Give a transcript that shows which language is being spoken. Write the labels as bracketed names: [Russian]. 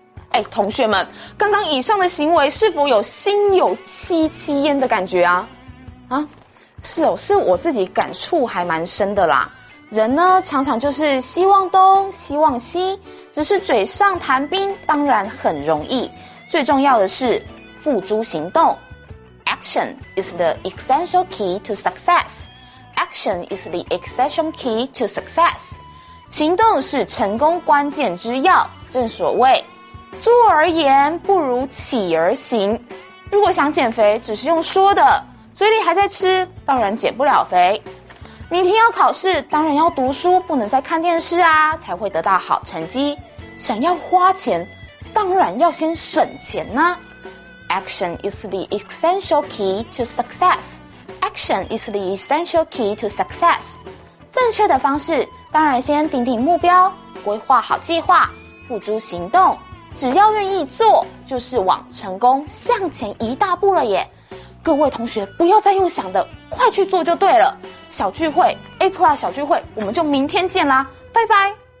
[Chinese] 哎，同学们，刚刚以上的行为是否有心有戚戚焉的感觉啊？啊？是哦，是我自己感触还蛮深的啦。人呢，常常就是希望东，希望西，只是嘴上谈兵当然很容易，最重要的是付诸行动。 [English] Action is the essential key to success. Action is the essential key to success. [Chinese] 行动是成功关键之要，正所谓，坐而言不如起而行。如果想减肥，只是用说的，嘴里还在吃，当然减不了肥。明天要考试，当然要读书，不能再看电视啊，才会得到好成绩。想要花钱，当然要先省钱呢。 [English] Action is the essential key to success. Action is the essential key to success. [Chinese] 正确的方式，当然先定定目标，规划好计划，付诸行动。只要愿意做，就是往成功向前一大步了耶。各位同学，不要再用想的，快去做就对了。小聚会 A Plus 小聚会，我们就明天见啦，拜拜。